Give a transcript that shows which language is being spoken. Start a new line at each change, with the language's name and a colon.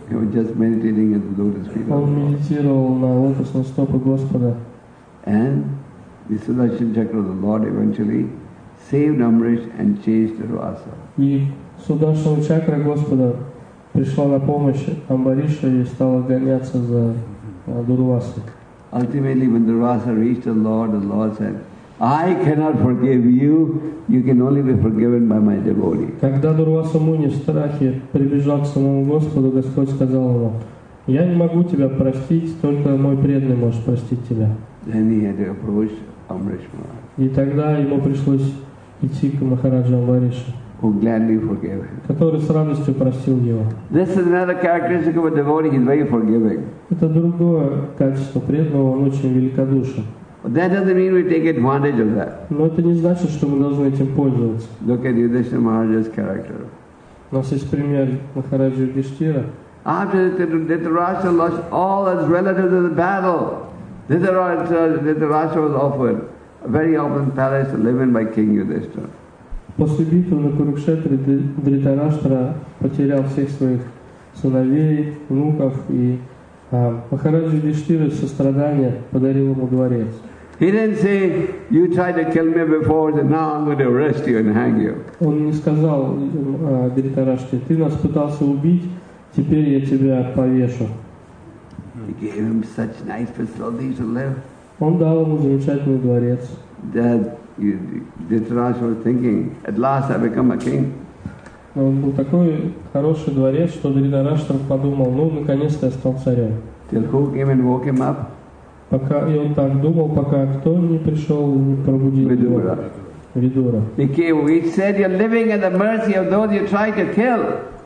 Russian: Он медитировал на лотосные стопы Господа.
English: The Sudarshan Chakra of the Lord eventually saved Amrish and changed Dharvasa.
Russian: И Сударшана Чакра Господа пришла на помощь Амбариша и стала гоняться за Дурвасой.
English: Ultimately, when Dharvasa reached the Lord said, "I cannot forgive you. You can only be forgiven by my devotee."
Russian: Когда Дурваса Муни в страхе прибежал к самому Господу, Господь сказал ему: "Я не могу тебя простить, только мой преданный может простить тебя."
English: Then he had to approach Amrish Maharaj.
Russian: И тогда ему пришлось идти к Махараджу Амбаришу,
English: who gladly forgave him.
Russian: Который с радостью простил его.
English: This is another characteristic of a devotee, he's very forgiving.
Russian: Это другое качество преданного, он очень великодушен.
English: That doesn't mean we take advantage of that.
Russian: Но это не значит, что мы должны этим пользоваться.
English: Look at Yudhishthira Maharaja's character.
Russian: У нас есть пример Махараджи Юдхиштхира.
English: After Dhritarashtra lost all his relatives in the battle, Dhritarashtra was offered a very open palace to live in by King Yudhishthira.
Russian: После битвы на Курукшетре Дритараштра потерял всех своих сыновей, внуков, и Махараджи Юдхиштхира сострадание подарил ему дворец.
English: He didn't say, "You tried to kill me before, and now I'm going to arrest you and hang you."
Russian: Он не сказал Дритараштре: "Ты нас пытался убить, теперь я тебя повешу."
English: He gave him such nice facilities to live.
Russian: Он дал ему замечательный дворец.
English: That Dhritarashtra was thinking, "At last, I become a king."
Russian: Но он был такой хороший дворец, что Дхритараштра подумал: "Ну, наконец-то я стал царем."
English: Till who came and woke him up?
Russian: Пока, и он так думал, пока кто не пришел и не пробудил Видура. Его. Видура.
English: He came, he said, "You're living at the mercy of those you try to kill."